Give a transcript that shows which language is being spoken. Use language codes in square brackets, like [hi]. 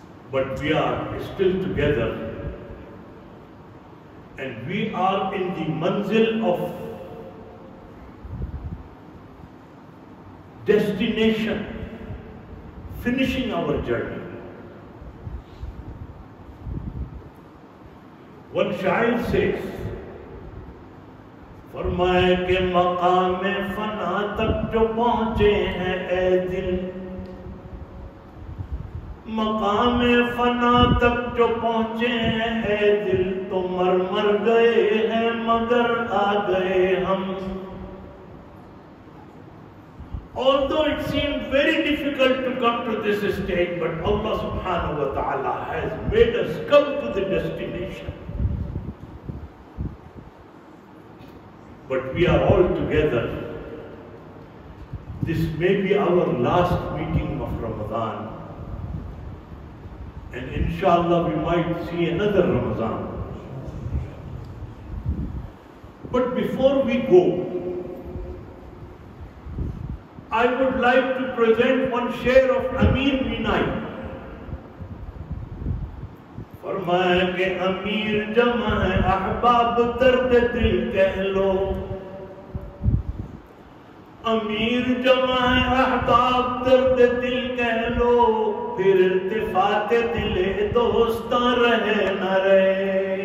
[en] But we are still together, and we are in the manzil of destination, finishing our journey. One shair says, [ur] فرمائے کہ مقام فنا تک جو پہنچے ہیں اے دل مقام فنا تک جو پہنچے ہیں اے دل تو مر مر گئے ہیں مگر آ گئے ہم. [en] Although it seemed very difficult to come to this stage, but Allah subhanahu wa ta'ala has made us come to the destination. But we are all together. This may be our last meeting of Ramadan. And inshallah we might see another Ramadan. But before we go, I would like to present one share of Amir Minai. [ur] فرمایا کہ امیر جمع ہے احباب درد دل کہہ لو امیر جمع ہے احباب درد دل کہہ لو پھر التفات دل دوستاں رہے نہ رہے.